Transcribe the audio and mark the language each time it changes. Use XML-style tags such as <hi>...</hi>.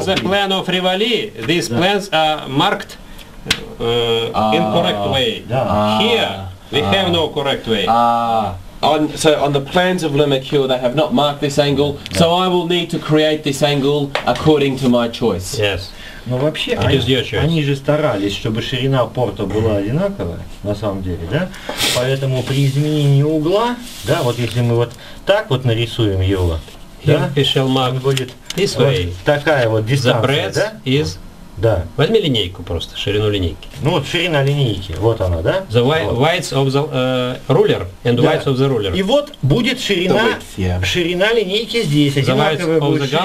<en>On the plan of Rivoli, these plans are marked in correct way. Here, we have no correct way. On the plans of Limacure, they have not marked this angle, so I will need to create this angle according to my choice. Yes.</en> <ru>Но вообще они же старались, чтобы ширина порта была одинаковая, на самом деле, да? Поэтому при изменении угла, да, вот если мы вот так вот нарисуем его, будет</ru> <en>this</en> <ru>вот</ru> <en>way.</en> <ru>Такая вот дистанция, да?</ru> <en>Is...</en> <ru>Да. Возьми линейку просто, ширину линейки. Ну вот ширина линейки, вот она, да?</ru> <en>The width of the ruler and width of the ruler.</en> <ru>И вот будет ширина, ширина линейки здесь, одинаковая будет ширина.</ru>